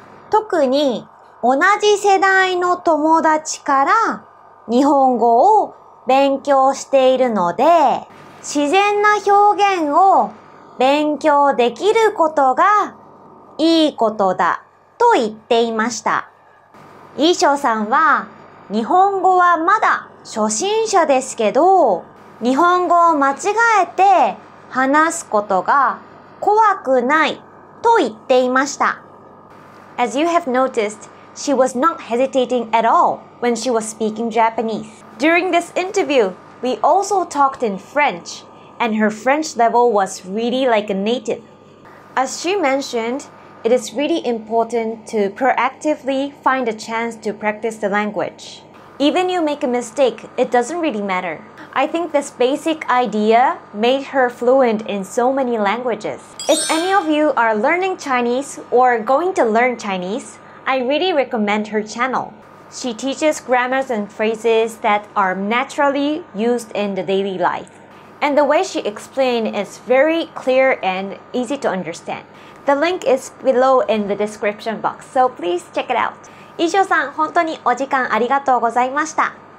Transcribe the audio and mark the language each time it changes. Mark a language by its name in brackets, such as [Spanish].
[Japanese] 特に同じ世代の友達から日本語を勉強しているので、自然な表現を勉強できることがいいことだと言っていました。イショさんは日本語はまだ初心者ですけど、日本語を間違えて話すことが怖くないと言っていました。 [English] As you have noticed, she was not hesitating at all when she was speaking Japanese. During this interview, we also talked in French, and her French level was really like a native. As she mentioned, it is really important to proactively find a chance to practice the language. Even you make a mistake, it doesn't really matter. I think this basic idea made her fluent in so many languages. If any of you are learning Chinese or going to learn Chinese, I really recommend her channel. She teaches grammars and phrases that are naturally used in the daily life. And the way she explained is very clear and easy to understand. The link is below in the description box, so please check it out. [Japanese] 以上さん、本当にお時間ありがとうございました。